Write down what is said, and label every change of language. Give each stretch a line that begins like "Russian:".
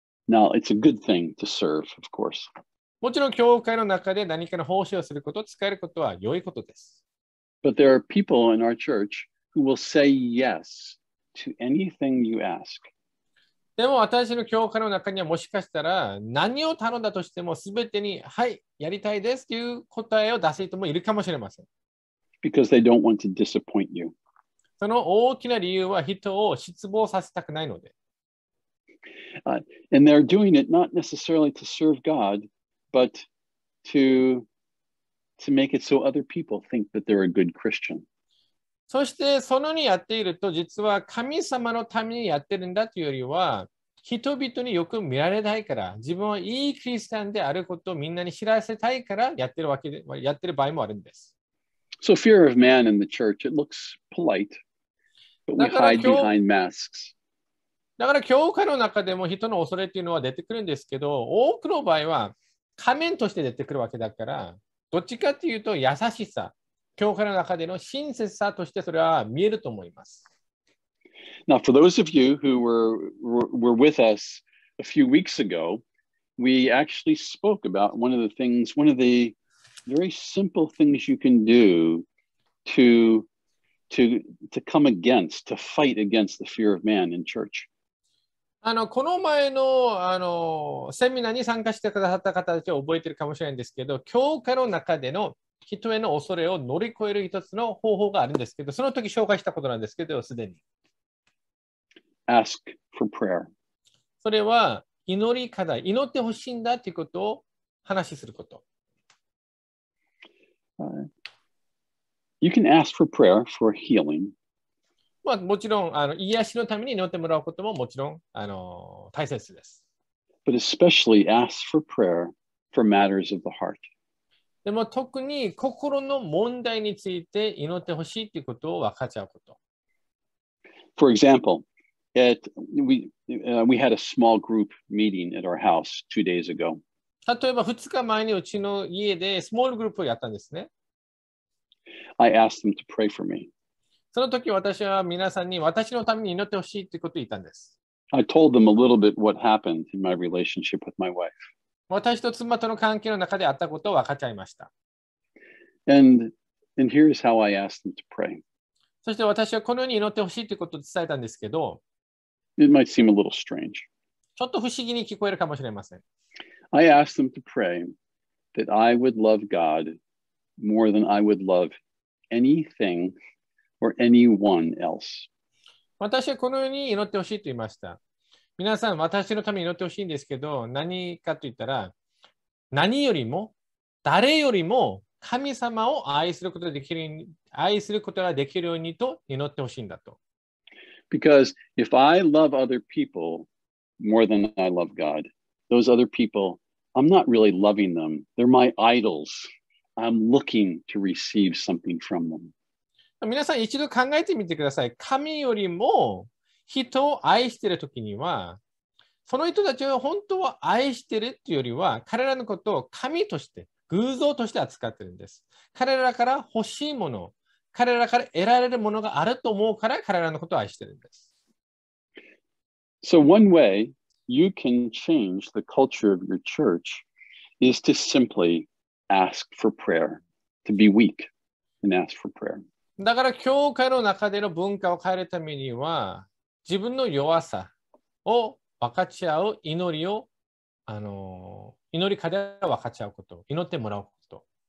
English: Now, it's a good thing to serve, of course.
Japanese: もちろん教会の中で何かの奉仕をすること、使えることは良いことです。
English: But there are people in our church who will say yes to anything you ask.
Japanese: でも私の教会の中にはもしかしたら何を頼んだとしても全てにはい、やりたいですという答えを出す人もいるかもしれません。
English: Because they don't want to disappoint you.
Japanese: その大きな理由は人を失望させたくないので。
English: And they're doing it not necessarily to serve God. But to make it so other people think that they're a good Christian.
Japanese: そしてそのにやっていると実は神様のためにやってるんだというよりは人々によく見られたいから自分はいいクリスチャンであることをみんなに知らせたいからやってる場合もあるんです。
English: So fear of man in the church, it looks polite, but we hide behind masks.
Japanese: だから教会の中でも人の恐れというのは出てくるんですけど、多くの場合は仮面として出てくるわけだから、どっちかというと優しさ、教会の中での親切さとしてそれは見えると思います。
English: Now, for those of you who were with us a few weeks ago, we actually spoke about one of the things, one of the very simple things you can do to come against, to fight against the fear of man in church.
Japanese: あのこの前 の, あのセミナーに参加してくださった方たちは覚えているかもしれないんですけど、教会の中での人への恐れを乗り越える一つの方法があるんですけど、その時紹介したことなんですけど、すでに
English: Ask for prayer.
Japanese: それは祈り課題、祈ってほしいんだということを話しすること、
English: You can ask for prayer for healing.
Japanese: まあ、もちろんあの癒しのために祈ってもらうことももちろんあの大切です。
English: But especially ask for prayer for matters of the heart.
Japanese: でも特に心の問題について祈ってほしいということを分かち合うこと。
English: For example, we had a small group meeting at our house 2 days ago.
Japanese: 例えば2日前にうちの家でスモールグループをやったんですね。
English: I asked them to pray for me.
Japanese: その時私は皆さんに私のために祈ってほしいということを言ったんです。
English: I told them a little bit what happened in my relationship with my wife.
Japanese: 私と妻との関係の中であったことを分かっちゃいました。
English: And here is how I asked them to pray.
Japanese: そして私はこのように祈ってほしいということを伝えたんですけど、
English: It might seem a little strange.
Japanese: ちょっと不思議に聞こえるかもしれません。
English: I asked them to pray that I would love God more than I would love anything. Or anyone else.
Japanese: 私はこのように祈ってほしいと言いました。皆さん、私のために祈ってほしいんですけど、何かと言ったら、何よりも、誰よりも、神様を愛することができる、愛することができるようにと祈ってほしいんだと。
English: Because if I love other people more than I love God, those other people, I'm not really loving them. They're my idols. I'm looking to receive something from them.
Japanese: 皆さん一度考えてみてください。神よりも人を愛しているときには、その人たちを本当は愛しているというよりは、彼らのことを神として、偶像として扱っているんです。彼らから欲しいもの、彼らから得られるものがあると思うから、彼らのことを愛しているんです。
English: So one way you can change the culture of your church is to simply ask for prayer, to be weak and ask for prayer.
Japanese: だから教会の中での文化を変えるためには自分の弱さを分かち合う祈りを祈り課題を分かち合うこと祈ってもらうこと